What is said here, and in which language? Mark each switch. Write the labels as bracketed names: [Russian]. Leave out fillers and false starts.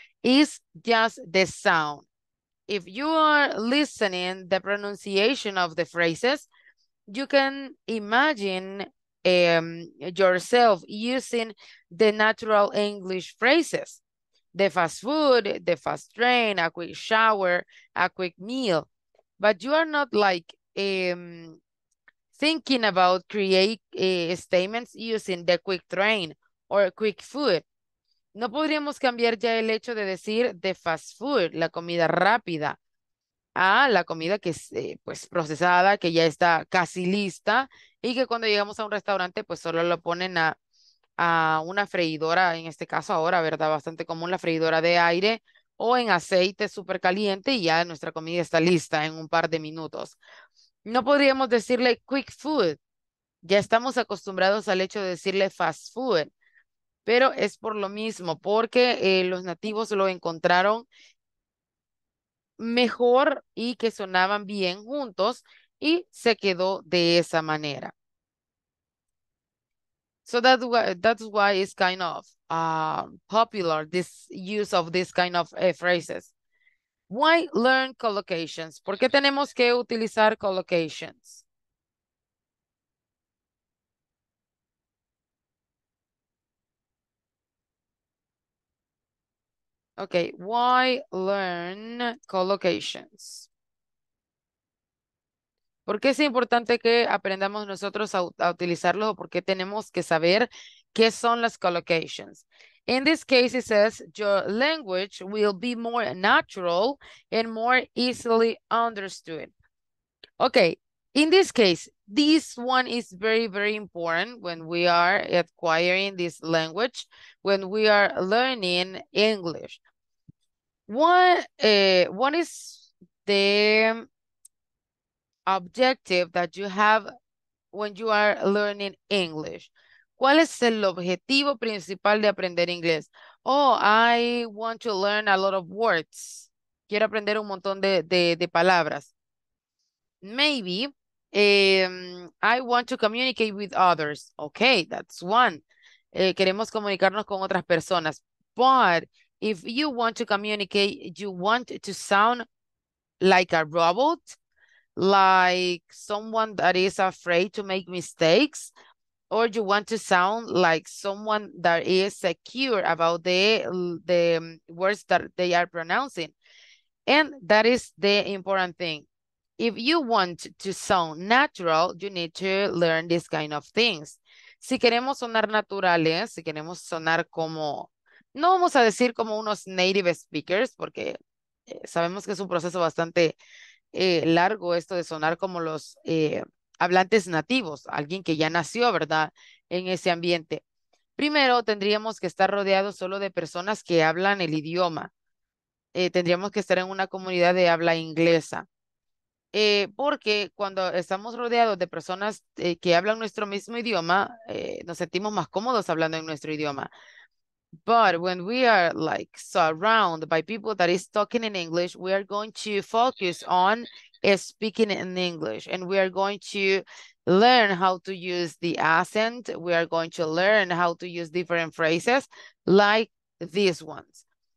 [English] It's just the sound. If you are listening the pronunciation of the phrases, you can imagine yourself using the natural English phrases. The fast food, the fast train, a quick shower, a quick meal. But you are not like thinking about create statements using the quick train or quick food. [Spanish] No podríamos cambiar ya el hecho de decir the fast food, la comida rápida, a la comida que es pues procesada, que ya está casi lista y que cuando llegamos a un restaurante pues solo lo ponen a una freidora, en este caso ahora, ¿verdad? Bastante común la freidora de aire o en aceite súper caliente y ya nuestra comida está lista en un par de minutos. No podríamos decirle quick food. Ya estamos acostumbrados al hecho de decirle fast food. Pero es por lo mismo, porque los nativos lo encontraron mejor y que sonaban bien juntos y se quedó de esa manera. [English] So that's why it's kind of popular, this use of this kind of phrases. Why learn collocations? [Spanish] ¿Por qué tenemos que utilizar collocations? [English] Okay, why learn collocations? [Spanish] ¿Por qué es importante que aprendamos nosotros a utilizarlos o por qué tenemos que saber qué son las collocations? [English] In this case, it says your language will be more natural and more easily understood. Okay, in this one is very, very important when we are acquiring this language, when we are learning English. What is the objective that you have when you are learning English? [Spanish] ¿Cuál es el objetivo principal de aprender inglés? [English] Oh, I want to learn a lot of words. [Spanish] Quiero aprender un montón de palabras. [English] Maybe I want to communicate with others. Okay, that's one. [Spanish] Queremos comunicarnos con otras personas. [English] But if you want to communicate, you want to sound like a robot, like someone that is afraid to make mistakes, or you want to sound like someone that is secure about the words that they are pronouncing. And that is the important thing. If you want to sound natural, you need to learn these kind of things. [Spanish] Si queremos sonar naturales, si queremos sonar como, no vamos a decir como unos [English] native speakers, [Spanish] porque sabemos que es un proceso bastante largo esto de sonar como los hablantes nativos, alguien que ya nació, ¿verdad?, en ese ambiente. Primero, tendríamos que estar rodeados solo de personas que hablan el idioma. Tendríamos que estar en una comunidad de habla inglesa. Porque cuando estamos rodeados de personas que hablan nuestro mismo idioma, nos sentimos más cómodos hablando en nuestro idioma. [English] But when we are like surrounded by people that is talking in English, we are going to focus on speaking in English and we are going to learn how to use the accent. We are going to learn how to use different phrases like these ones.